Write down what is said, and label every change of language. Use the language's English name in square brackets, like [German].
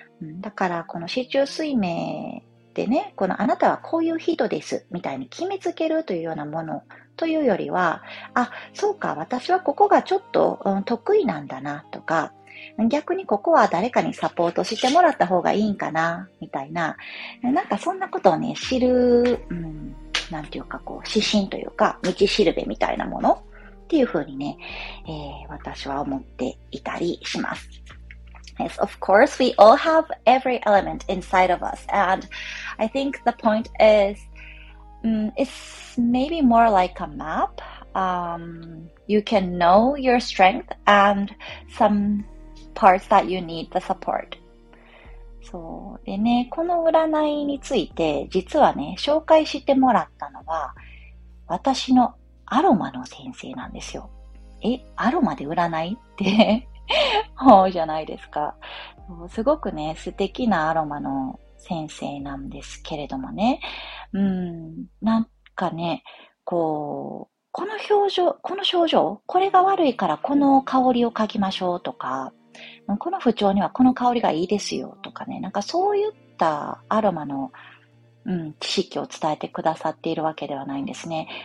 [Japanese] うん、だから、この四柱推命でね、このあなたはこういう人です、みたいに決めつけるというようなものというよりは、あ、そうか、私はここがちょっと、うん、得意なんだな、とか、逆にここは誰かにサポートしてもらった方がいいんかなみたいな、なんかそんなことをね知る、うん、なんていうかこう指針というか道しるべみたいなものっていう風にね、私は思っていたりします。 [English] Yes, of course we all have every element inside of us, and I think the point is、it's maybe more like a map、you can know your strength and someparts that you need the support. [Japanese] そうでね、この占いについて実はね紹介してもらったのは私のアロマの先生なんですよ。え、アロマで占いって多いじゃないですか。すごくね素敵なアロマの先生なんですけれどもね、なんかねこう、この表情、この症状、これが悪いからこの香りを嗅ぎましょうとか、この不調にはこの香りがいいですよとかね、なんかそういったアロマの、知識を伝えてくださっているわけではないんですね。